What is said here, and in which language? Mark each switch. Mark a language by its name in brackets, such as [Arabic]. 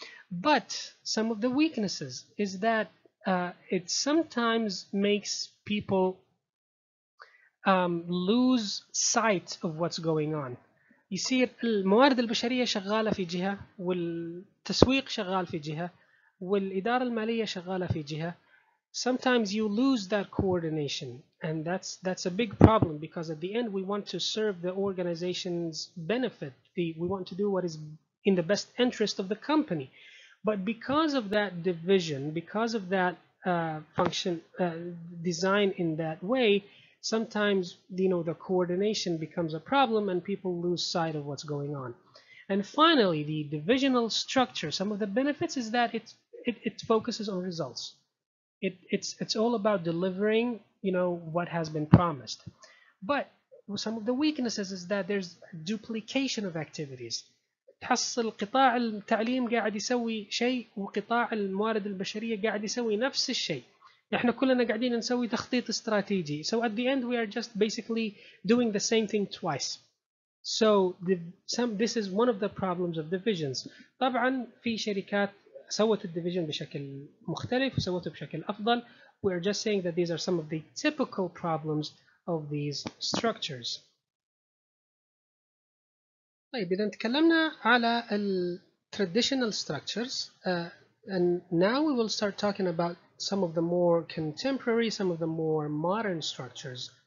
[English] But some of the weaknesses is that it sometimes makes people lose sight of what's going on. [Arabic] يصير الموارد البشرية شغالة في جهة والتسويق شغال في جهة والإدارة المالية شغالة في جهة. [English] Sometimes you lose that coordination, and that's a big problem because at the end we want to serve the organization's benefit. We want to do what is in the best interest of the company. But because of that division, because of that function design in that way, sometimes you know the coordination becomes a problem and people lose sight of what's going on. And finally, the divisional structure, some of the benefits is that it focuses on results. It's all about delivering, you know, what has been promised. But some of the weaknesses is that there's duplication of activities. [Arabic] تحصل قطاع التعليم قاعد يسوي شيء وقطاع الموارد البشرية قاعد يسوي نفس الشيء. إحنا كلنا قاعدين نسوي تخطيط استراتيجي. [English] So at the end we are just basically doing the same thing twice. So this is one of the problems of divisions. [Arabic] طبعا في شركات سوت الديفيجن بشكل مختلف وسوته بشكل أفضل. [English] We are just saying that these are some of the typical problems of these structures. [Arabic] طيب إذا تكلمنا على ال [English] traditional structures and now we will start talking about some of the more contemporary, some of the more modern structures.